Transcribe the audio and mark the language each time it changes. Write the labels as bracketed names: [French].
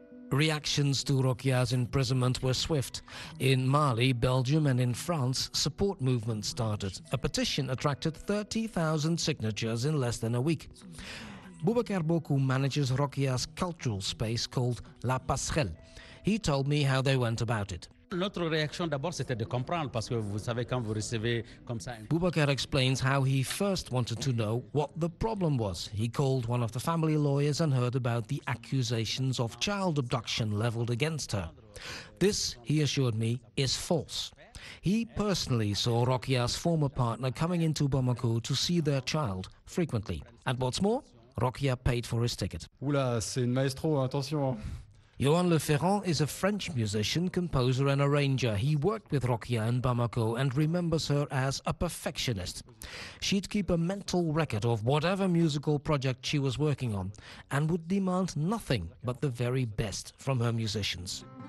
[English] Reactions to Rokia's imprisonment were swift. In Mali, Belgium, and in France, support movements started. A petition attracted 30,000 signatures in less than a week. Boubacar Boku manages Rokia's cultural space called La Passerelle. He told me how they went about it. [French] Notre réaction d'abord c'était de comprendre parce que vous savez quand vous recevez comme ça. [English] Boubacar explains how he first wanted to know what the problem was. He called one of the family lawyers and heard about the accusations of child abduction leveled against her. This, he assured me, is false. He personally saw Rokia's former partner coming into Bamako to see their child frequently. And what's more, Rokia paid for his ticket. [French] Oula, c'est une maestro, attention. [English] Yoann Le Ferrand is a French musician, composer and arranger. He worked with Rokia in Bamako and remembers her as a perfectionist. She'd keep a mental record of whatever musical project she was working on and would demand nothing but the very best from her musicians.